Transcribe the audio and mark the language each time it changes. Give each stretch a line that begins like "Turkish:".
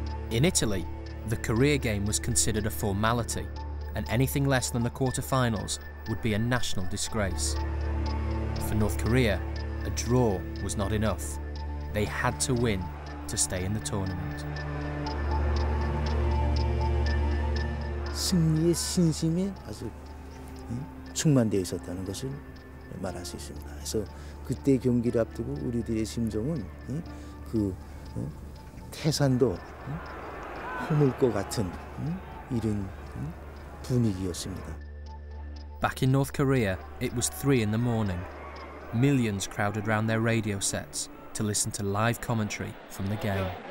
English: In Italy, the Korea game was considered a formality, and anything less than the quarterfinals would be a national disgrace. For North Korea, a draw was not enough. They had to win to stay in the tournament.
Korean: 승리의 신심이 아주 충만되어 있었다는 것을 말할 수 있습니다. 그래서 그때 경기를 앞두고 우리들의 심정은 그 태산도 허물 것 같은 이런 분위기였습니다.
English: Back in North Korea, it was 3 in the morning. Millions crowded round their radio sets to listen to live commentary from the game.